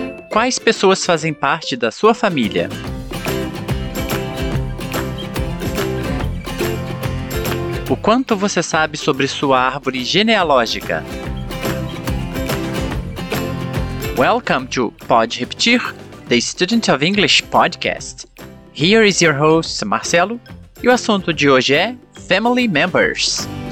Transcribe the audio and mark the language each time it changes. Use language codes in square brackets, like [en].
[pt] Quais pessoas fazem parte da sua família? O quanto você sabe sobre sua árvore genealógica? [en] Welcome to Pode Repetir, the Student of English Podcast. Here is your host, Marcelo. [pt] E o assunto de hoje é Family Members.